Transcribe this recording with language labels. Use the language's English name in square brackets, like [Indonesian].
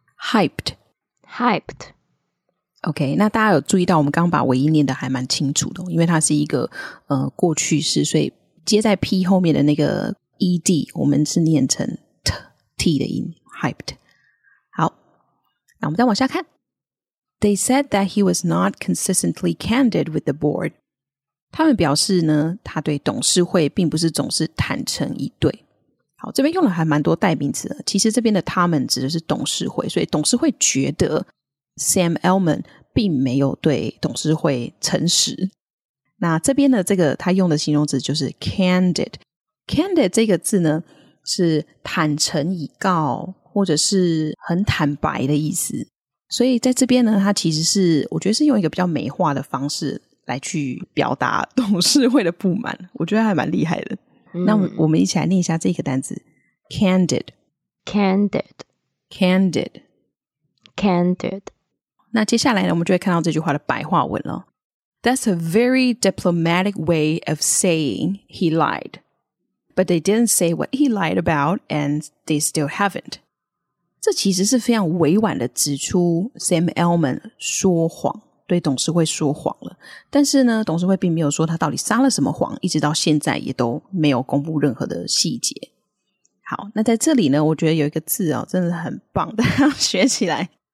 [English] Hyped. Hyped. [Chinese] OK， 那大家有注意到我们刚刚把唯一念的还蛮清楚的，因为它是一个过去式，所以接在 P 后面的那个 ED 我们是念成 T T 的音 Hyped。好，那我们再往下看。 [English] They said that he was not consistently candid with the board. [Chinese] 他们表示呢，他对董事会并不是总是坦诚以对。好，这边用了还蛮多代名词的。其实这边的他们指的是董事会，所以董事会觉得 Sam Altman 并没有对董事会诚实。那这边的这个他用的形容词就是 candid。candid 这个字呢，是坦诚以告或者是很坦白的意思。所以在这边呢，它其实是我觉得是用一个比较美化的方式来去表达董事会的不满，我觉得还蛮厉害的。那我们一起来念一下这个单字 candid [English] candid candid candid。 [Chinese] 那接下来呢我们就会看到这句话的白话文了。 [English] That's a very diplomatic way of saying he lied, but they didn't say what he lied about and they still haven't。 [Chinese] 这其实是非常委婉的指出 Sam Altman 说谎，对董事会说谎了。但是呢，董事会并没有说他到底撒了什么谎，一直到现在也都没有公布任何的细节。好，那在这里呢，我觉得有一个字哦，真的很棒，大家学起来。